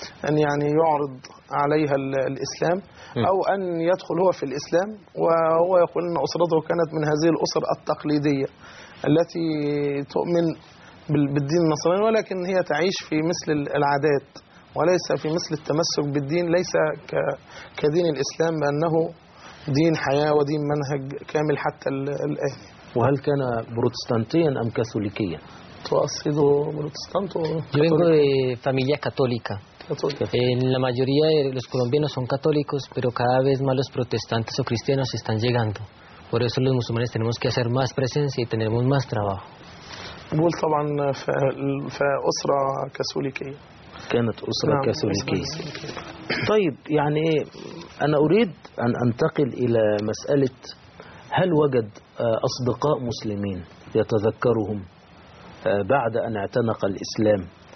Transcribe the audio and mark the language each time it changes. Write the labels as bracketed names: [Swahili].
[Arabic] أن يعني يعرض عليها الإسلام أو أن يدخل هو في الإسلام وهو يقول أن أسرته كانت من هذه الأسر التقليدية التي تؤمن بالدين النصراني ولكن هي تعيش في مثل العادات وليس في مثل التمسك بالدين ليس كدين الإسلام بأنه دين حياة ودين منهج كامل حتى الآن وهل كان بروتستانتيا أم كاثوليكيا؟ تقصد بروتستانت أو [Spanish] كاثوليكيا؟ Yo vengo de familia católica. La mayoría de los colombianos son católicos, pero cada vez más los protestantes o cristianos están llegando. Por eso los musulmanes tenemos que hacer más presencia y tenemos más trabajo. [Arabic] بقول طبعا في أسرة كاثوليكية. كانت أسرة كاثوليكية. طيب يعني أنا أريد أن أنتقل إلى مسألة هل وجد أصدقاء مسلمين يتذكرهم بعد أن اعتنق الإسلام